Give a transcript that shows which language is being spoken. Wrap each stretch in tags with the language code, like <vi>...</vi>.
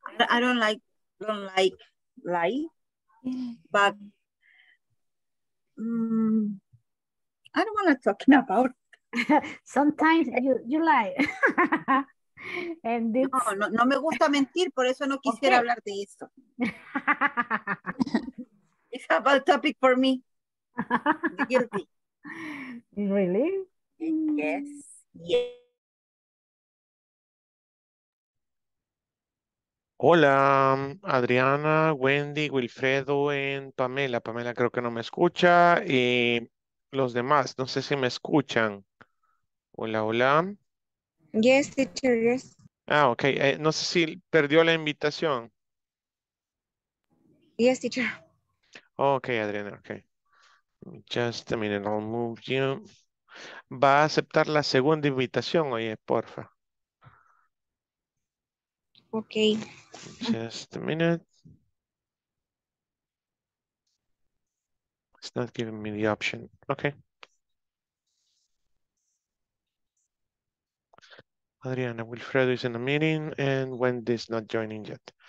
<en>I don't like lie, but I don't want to talk about. Sometimes you lie. And this...</en> <es>No me gusta mentir, por eso no quisiera okay. hablar de eso.</es> <en>It's a bad topic for me. Guilty. Really? Yes.</en> <es>Hola,</es> <en>Adriana, Wendy, Wilfredo, and Pamela.</en> <es>Pamela creo que no me escucha. Y los demás, no sé si me escuchan. Hola.</es> <en>Yes, teacher, yes.</en> <es>Ah, okay. No sé si perdió la invitación.</es> <en>Yes, teacher. Okay, Adriana, okay. Just a minute, I'll move you.</en> <es>Va a aceptar la segunda invitación, oye, porfa.</es> <en>Okay. Just a minute. It's not giving me the option. Okay. Adriana, Wilfredo is in a meeting and Wendy is not joining yet.</en>